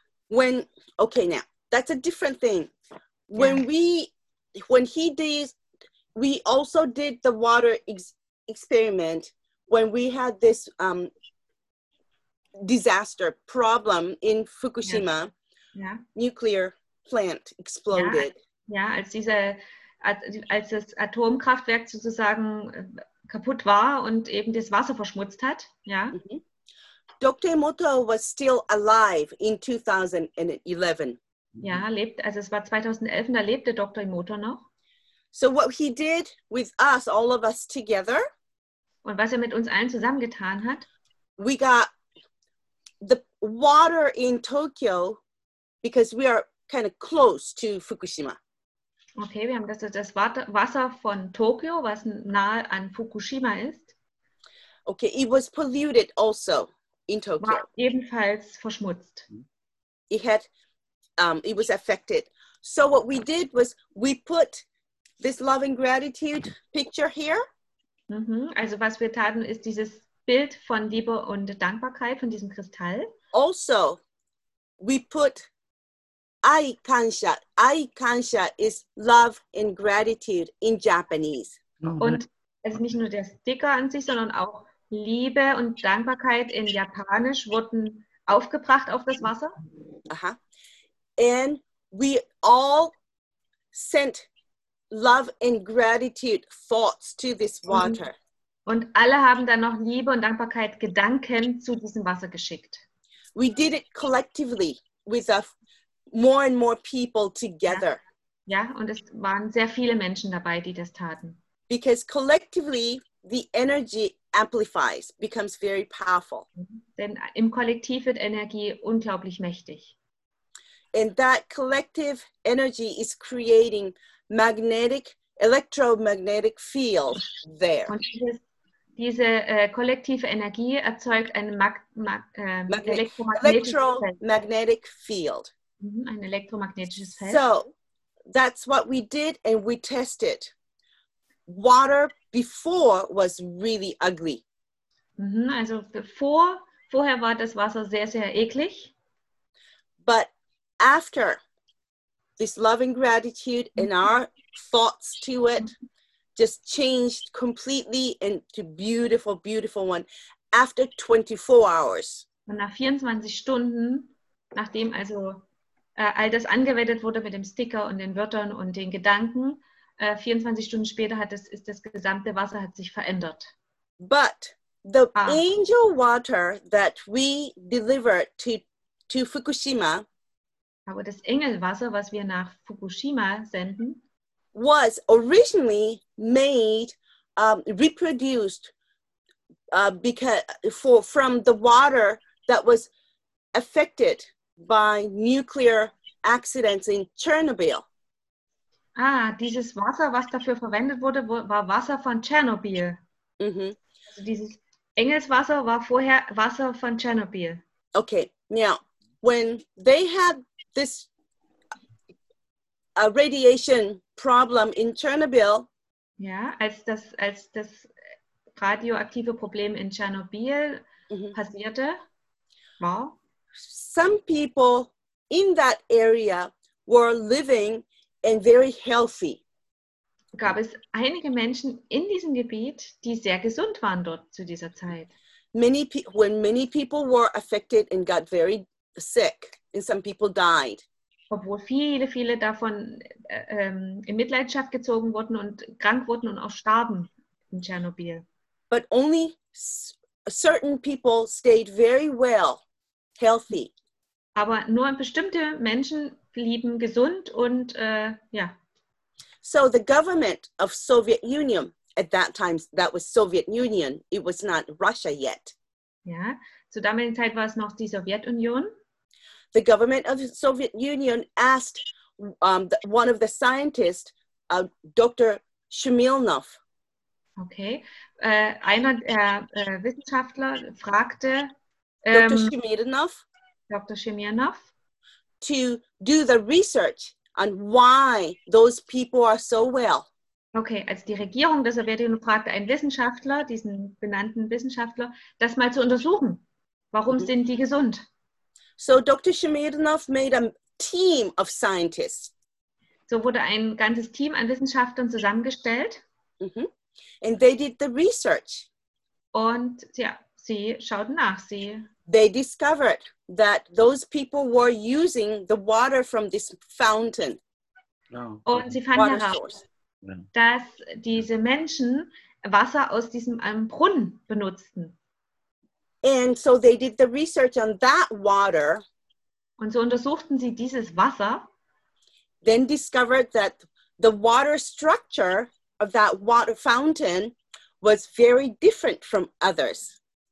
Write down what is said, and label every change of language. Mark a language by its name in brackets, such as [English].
[English] That's a different thing. We also did the water experiment when we had this disaster problem in Fukushima. Yeah. Nuclear plant exploded. [German] Yeah, als das Atomkraftwerk sozusagen kaputt war und eben das Wasser verschmutzt hat. [English] Yeah. Mm-hmm. Dr. Emoto was still alive in 2011. [German] Ja, lebt, also es war 2011, da lebte Dr. Emoto noch. [English] So what he did with us, all of us together. [German] Und was er mit uns allen zusammengetan hat. [English] We got the water in Tokyo, because we are kind of close to Fukushima. [German] Okay, wir haben das Wasser von Tokyo, was nahe an Fukushima ist. [English] Okay, it was polluted also in Tokyo. [German] War ebenfalls verschmutzt. [English] It was affected. So what we did was we put this love and gratitude picture here. Mm-hmm. [German] Also was wir taten, ist dieses Bild von Liebe und Dankbarkeit von diesem Kristall. [English] Also, we put Ai Kansha. Ai Kansha is love and gratitude in Japanese. Mm-hmm. [German] Und es ist nicht nur der Sticker an sich, sondern auch Liebe und Dankbarkeit in Japanisch wurden aufgebracht auf das Wasser. Aha. [English] And we all sent love and gratitude thoughts to this water. [German] Und alle haben dann noch Liebe und Dankbarkeit Gedanken zu diesem Wasser geschickt. [English] We did it collectively with more and more people together. [German] Ja, und es waren sehr viele Menschen dabei, die das taten. [English] Because collectively the energy amplifies, becomes very powerful. [German] Denn im Kollektiv wird Energie unglaublich mächtig. [English] And that collective energy is creating magnetic, electromagnetic field there. [German] Und diese kollektive Energie erzeugt ein [English] electromagnetic field. [German] Mhm, ein elektromagnetisches Feld. [English] So that's what we did, and we tested. Water before was really ugly. [German] Mhm, also vorher war das Wasser sehr, sehr eklig. [English] But after this love and gratitude and our thoughts to it just changed completely into beautiful, beautiful one after 24 hours. [German] Und nach 24 Stunden, nachdem also all das angewendet wurde mit dem Sticker und den Wörtern und den Gedanken, 24 Stunden später ist das gesamte Wasser hat sich verändert. [English] But the angel water that we delivered to Fukushima, [German] aber das Engelwasser, was wir nach Fukushima senden, [English] was originally made, reproduced from the water that was affected by nuclear accidents in Chernobyl. [German] Ah, dieses Wasser, was dafür verwendet wurde, war Wasser von Tschernobyl. Mm-hmm. Also dieses Engelswasser war vorher Wasser von Tschernobyl. [English] Okay, now, when they had this radiation problem in Chernobyl. [German] Ja, als das radioaktive Problem in Tschernobyl passierte, war. [English] Some people in that area were living and very healthy. [German] Gab es einige Menschen in diesem Gebiet, die sehr gesund waren dort zu dieser Zeit? [English] Many people were affected and got very sick. And some people died. [German] Obwohl viele, viele davon in Mitleidenschaft gezogen wurden und krank wurden und auch starben in Tschernobyl. [English] But only certain people stayed very well, healthy. [German] Aber nur bestimmte Menschen blieben gesund und ja. [English] So the government of Soviet Union, at that time, that was Soviet Union. It was not Russia yet. [German] Ja, zur damaligen Zeit war es noch die Sowjetunion. [English] The government of the Soviet Union asked one of the scientists, Dr. Shmilnov. [German] Okay, einer der Wissenschaftler fragte [English] Dr. Shmilnov, to do the research on why those people are so well. [German] Okay, also die Regierung der Sowjetunion fragte einen Wissenschaftler, diesen benannten Wissenschaftler, das mal zu untersuchen. Warum sind die gesund? [English] So Dr. Shmilnov made a team of scientists. [German] So wurde ein ganzes Team an Wissenschaftlern zusammengestellt. [English] Mm-hmm. And they did the research. [German] Und ja, sie schauten nach. [English] They discovered that those people were using the water from this fountain. [German] Oh, okay. Und sie fanden heraus, dass diese Menschen Wasser aus diesem Brunnen benutzten. [English] And so they did the research on that water. [German] Und so untersuchten sie dieses Wasser. [English] Then discovered that the water structure of that water fountain was very different from others.